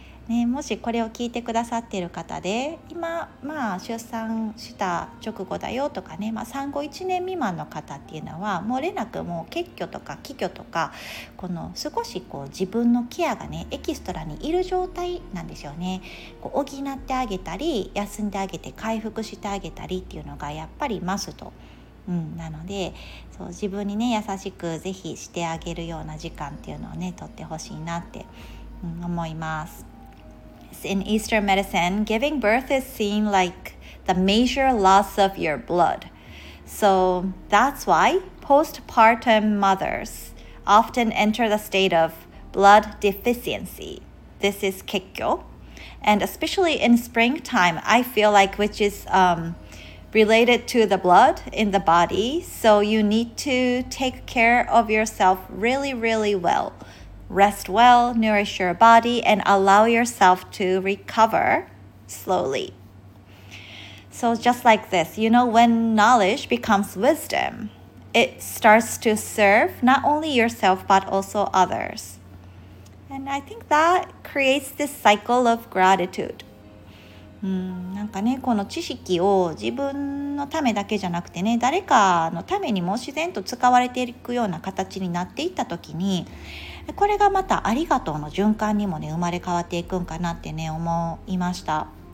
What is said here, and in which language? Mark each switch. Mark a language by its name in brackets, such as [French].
[Japanese] ね、もしこれを聞いてくださっている方で今、出産した直後だよとかね、産後1年未満の方っていうのはもれなくもう血虚とか気虚とかこの少しこう自分のケアがねエキストラにいる状態なんですよね。こう補ってあげたり休んであげて回復してあげたりっていうのがやっぱりマスト、なので、そう自分にね優しくぜひしてあげるような時間っていうのをね取ってほしいなって、思います。 [English] In Eastern medicine, giving birth is seen like the major loss of your blood. So that's why postpartum mothers often enter the state of blood deficiency. This is kikkyo. And especially in springtime, I feel like which is related to the blood in the body. So you need to take care of yourself really, really well. Rest well, nourish your body, and allow yourself to recover slowly. So just like this, you know, when knowledge becomes wisdom, it starts to serve not only yourself, but also others. And I think that creates this cycle of gratitude. [Japanese] なんかねこの知識を自分のためだけじゃなくてね誰かのためにも自然と使われていくような形になっていった時に、これがまたありがとうの循環にもね生まれ変わっていくんかなってね思いました。